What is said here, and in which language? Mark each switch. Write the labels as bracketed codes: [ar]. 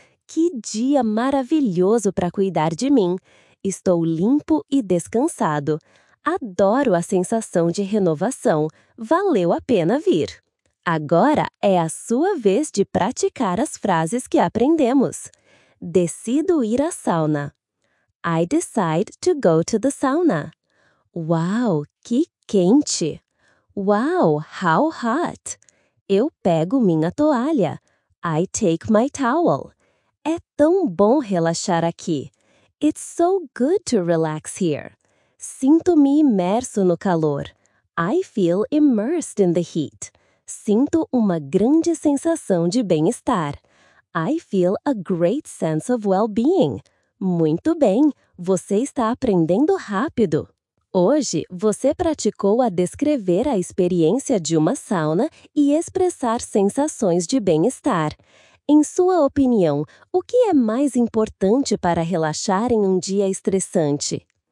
[pt] Que dia maravilhoso para cuidar de mim! Estou limpo e descansado. Adoro a sensação de renovação. Valeu a pena vir! Agora é a sua vez de praticar as frases que aprendemos. Decido ir à sauna. [en] I decide to go to the sauna. [pt] Uau, que quente! [en] Uau, how hot! [pt] Eu pego minha toalha. [en] I take my towel. [pt] É tão bom relaxar aqui. [en] It's so good to relax here. [pt] Sinto-me imerso no calor. [en] I feel immersed in the heat. [pt] Sinto uma grande sensação de bem-estar. [en] I feel a great sense of well-being. [pt] Muito bem, você está aprendendo rápido. Hoje, você praticou a descrever a experiência de uma sauna e expressar sensações de bem-estar. Em sua opinião, o que é mais importante para relaxar em um dia estressante?